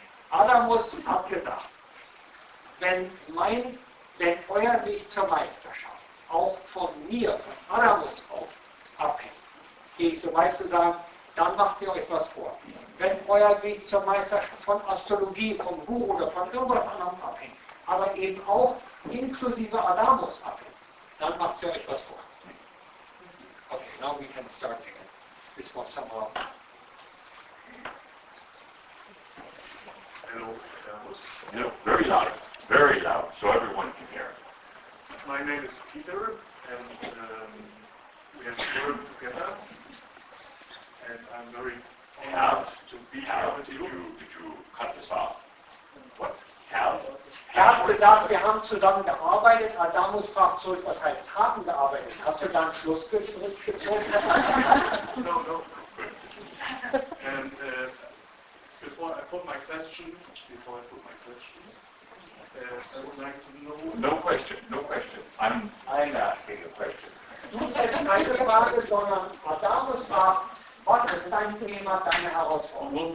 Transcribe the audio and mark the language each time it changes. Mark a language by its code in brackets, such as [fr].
[de] Adamus hat gesagt, wenn euer Weg zur Meisterschaft auch von mir, von Adamus auch abhängt, gehe ich so weit zu sagen, dann macht ihr euch was vor. Wenn euer Weg zur Meisterschaft von Astrologie, vom Guru oder von irgendwas anderem abhängt, aber eben auch inklusive Adamus abhängt, dann macht ihr euch was vor. [en] Okay, now we can start again. This was somehow. Hello, Adamus. No, very loud. Very loud, so everyone can hear. My name is Peter, and we have worked together. And I'm very honored to be here with you. Did you cut this off? What? [de] Er hat gesagt, wir haben zusammen gearbeitet. Adamus fragt zurück, was heißt haben gearbeitet? Hast du dann Schlussgespräch gezogen? [en] No. And before I put my question, I would like to know. No question. I'm asking a question. [de] Du stellst keine Frage, sondern Adamus fragt. Was ist dein Thema, deine Herausforderung?